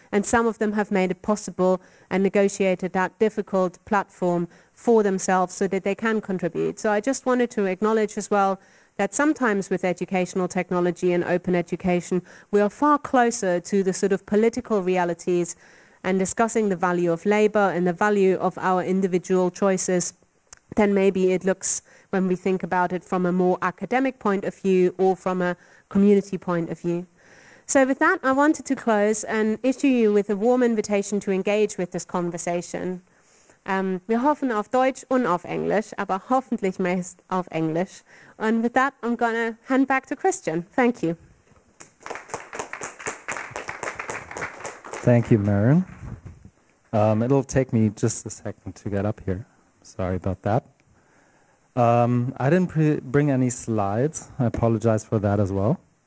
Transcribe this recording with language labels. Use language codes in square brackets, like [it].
[en] And some of them have made it possible and negotiated that difficult platform for themselves so that they can contribute. So I just wanted to acknowledge as well that sometimes with educational technology and open education, we are far closer to the sort of political realities and discussing the value of labor and the value of our individual choices than maybe it looks when we think about it from a more academic point of view or from a community point of view. So with that, I wanted to close and issue you with a warm invitation to engage with this conversation. [de] Wir hoffen auf Deutsch und auf Englisch, aber hoffentlich meist auf Englisch. [en] And with that, I'm going to hand back to Christian. Thank you. Thank you, Maren. It'll take me just a second to get up here. Sorry about that. I didn't bring any slides. I apologize for that as well.